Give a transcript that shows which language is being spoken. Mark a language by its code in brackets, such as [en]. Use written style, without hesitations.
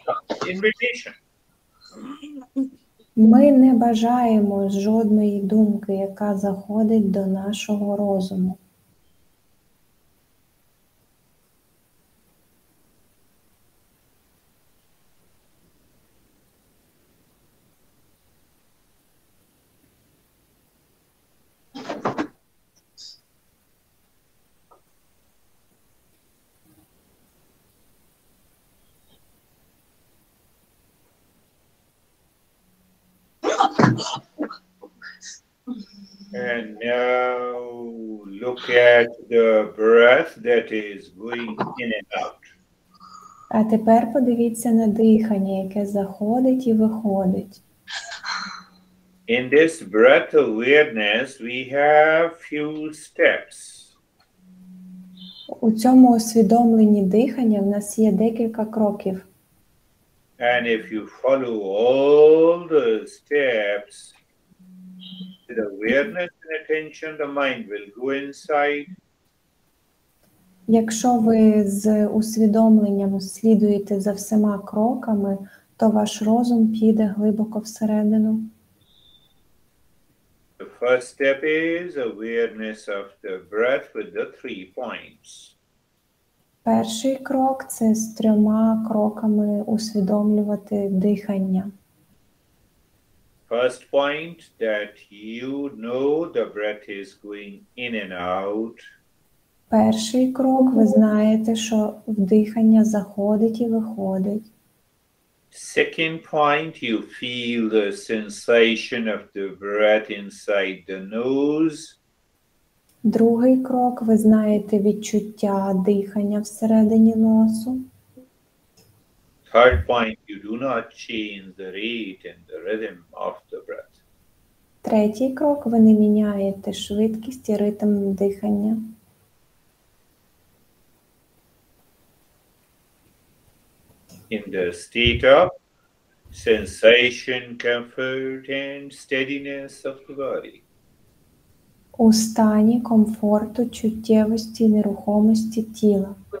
[en] Invitation. [uk] Ми не бажаємо жодної думки, яка заходить до нашого розуму. [en] And now look at the breath that is going in and out. [uk] А тепер подивіться на дихання, яке заходить і виходить. [en] In this breath awareness, we have few steps. [uk] У цьому усвідомленні дихання в нас є декілька кроків. [en] And if you follow all the steps, the awareness and attention, the mind will go inside. [uk] Якщо ви з усвідомленням слідуєте за всіма кроками, то ваш розум піде глибоко всередину. [en] The first step is awareness of the breath with the three points. [uk] Перший крок – це з трьома кроками усвідомлювати дихання. [en] First point that you know the breath is going in and out. [uk] Перший крок – ви знаєте, що дихання заходить і виходить. [en] Second point – you feel the sensation of the breath inside the nose. [uk] Другий крок – ви знаєте відчуття дихання всередині носу. [en] Third point – you do not change the rate and the rhythm of the breath. [uk] Третій крок – ви не міняєте швидкість і ритм дихання. [en] In the state of sensation, comfort and steadiness of the body. [uk] У стані комфорту, чуттєвості, нерухомості тіла.